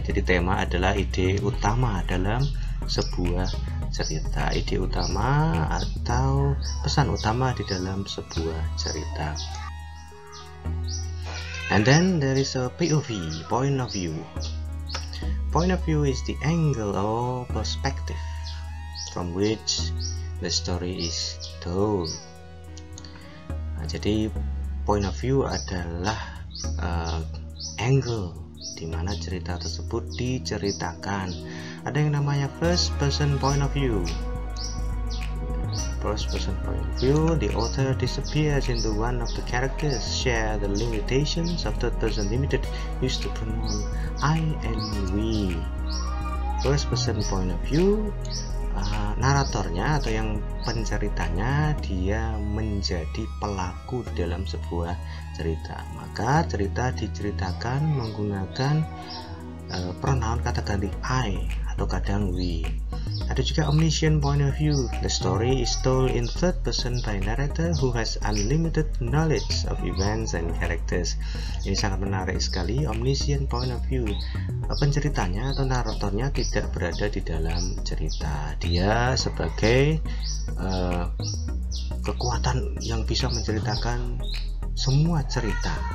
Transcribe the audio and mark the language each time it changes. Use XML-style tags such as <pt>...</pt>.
<id>Jadi tema adalah ide utama dalam sebuah cerita, ide utama atau pesan utama di dalam sebuah cerita.</id> <en>And then there is a POV, point of view. Point of view is the angle or perspective from which the story is told.</en> <id>Nah, jadi point of view adalah angle di mana cerita tersebut diceritakan. Ada yang namanya first person point of view.</id> <en>First person point of view, the author disappears into one of the characters, share the limitations of third person limited, use the pronoun I and we.</en> <id>First person point of view, naratornya atau yang penceritanya, dia menjadi pelaku dalam sebuah cerita. Maka cerita diceritakan menggunakan pronoun kata ganti I atau kadang we. Ada juga omniscient point of view.</id> <en>The story is told in third person by narrator who has unlimited knowledge of events and characters.</en> <id>Ini sangat menarik sekali, omniscient point of view. Penceritanya atau naratornya tidak berada di dalam cerita. Dia sebagai kekuatan yang bisa menceritakan semua cerita.</id>